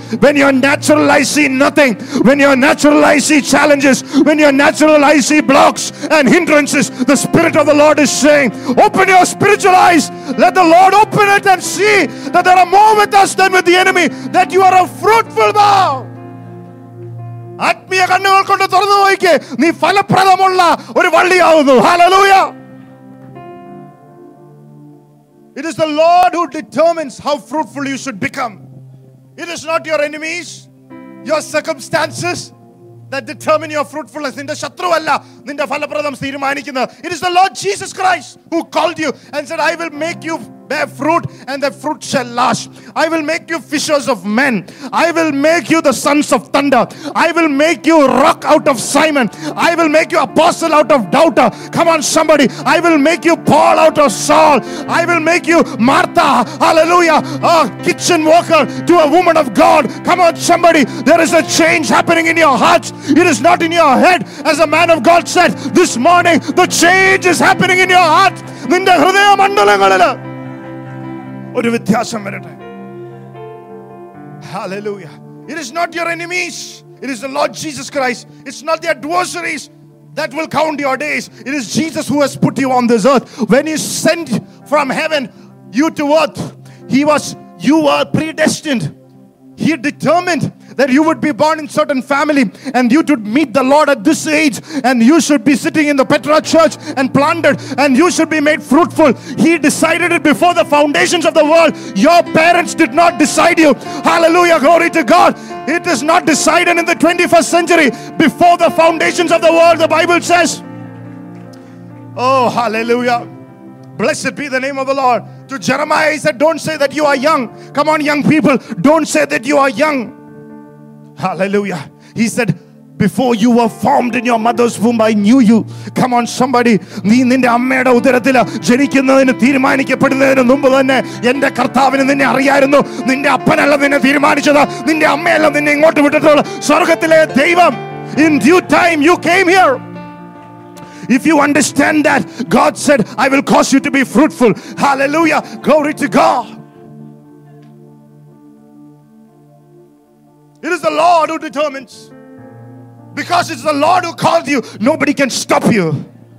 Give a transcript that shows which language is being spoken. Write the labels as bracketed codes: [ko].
[en] When your natural eyes see nothing, when your natural eyes see challenges, when your natural eyes see blocks and hindrances, the Spirit of the Lord is saying, open your spiritual eyes. Let the Lord open it and see that there are more with us than with the enemy, that you are a fruitful bough. [ml] ആത്മീയ കണ്ണുകൾ കൊണ്ട് തുറന്നു നോക്കി, നീ ഫലപ്രദമുള്ള ഒരു വള്ളിയാകുന്നു. ഹല്ലേലൂയാ. [en] It is the Lord who determines how fruitful you should become. It is not your enemies, your circumstances that determine your fruitfulness. [ml] നിന്റെ ശത്രുവല്ല നിന്റെ ഫലപ്രദം തീരുമാനിക്കുന്നത്. [en] It is the Lord Jesus Christ who called you and said, I will make you bear fruit and the fruit shall last. I will make you fishers of men. I will make you the sons of thunder. I will make you rock out of Simon. I will make you apostle out of doubter. Come on somebody. I will make you Paul out of Saul. I will make you Martha, hallelujah, a kitchen worker to a woman of God. Come on somebody. There is a change happening in your hearts. It is not in your head. As a man of God said this morning, the change is happening in your heart. [ml] നിന്റെ ഹൃദയമണ്ഡലങ്ങളില് ഒരു വ്യത്യാസം വരട്ടെ. [en] Hallelujah. It is not your enemies. It is the Lord Jesus Christ. It's not the adversaries that will count your days. It is Jesus who has put you on this earth. When he sent from heaven you to earth, you were predestined. He determined that you would be born in certain family and you should meet the Lord at this age and you should be sitting in the Petra church and planted and you should be made fruitful. He decided it before the foundations of the world. Your parents did not decide you. Hallelujah, glory to God. It is not decided in the 21st century. Before the foundations of the world, the Bible says. Oh, hallelujah. Blessed be the name of the Lord. To Jeremiah, he said, don't say that you are young. Come on, young people, don't say that you are young. Hallelujah. He said, before you were formed in your mother's womb, I knew you. Come on somebody. [ml] നീ നിന്റെ അമ്മയുടെ ഉദരത്തില് ജനിക്കുന്നതിന് തീരുമാനിക്കപ്പെടുന്നതിന് മുമ്പ് തന്നെ എന്റെ കർത്താവിന് നിന്നെ അറിയായിരുന്നു. നിന്റെ അപ്പനല്ല നിന്നെ തീരുമാനിച്ചത്, നിന്റെ അമ്മയല്ല നിന്നെ ഇങ്ങോട്ട് വിട്ടിട്ടുള്ളത്. സ്വർഗത്തിലെ ദൈവം, [en] In due time you came here. If you understand that, God said, I will cause you to be fruitful. Hallelujah. Glory to God. It is the Lord who determines. Because it's the Lord who called you, nobody can stop you.